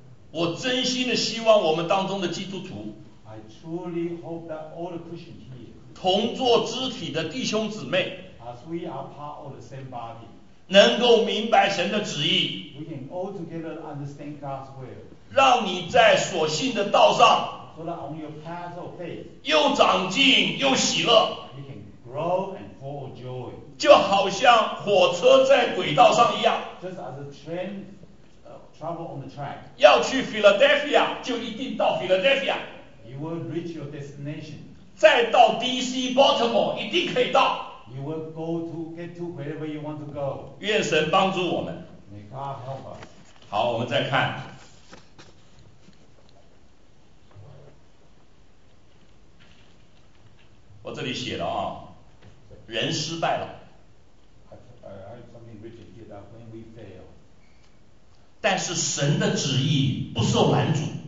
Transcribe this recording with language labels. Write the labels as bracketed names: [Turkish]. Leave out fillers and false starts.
[Chinese] 我真心的希望我们当中的基督徒。 [English] I truly hope that all the Christians here, [Chinese] 同作肢体的弟兄姊妹 [English] as we are part of the same body, [Chinese] 能够明白神的旨意 [English] we can all together understand God's will, [Chinese] 让你在所信的道上 [English] so that on your path of faith, [Chinese] 又长进又喜乐 [English] you can grow and full of joy, [Chinese] 就好像火车在轨道上一样 [English] just as a train,travel on the track, [Chinese] 要去 Philadelphia, 就一定到 Philadelphia, [English] You will reach your destination. [Chinese] 再到 DC Baltimore 一定可以到。 [English] You will go to get to wherever you want to go. [Chinese] 愿神帮助我们。 [English] May God help us. [Chinese] 好，我们再看。我这里写了啊，人失败了。 [English] I have something written here that when we fail. [Chinese] 但是神的旨意不受拦阻。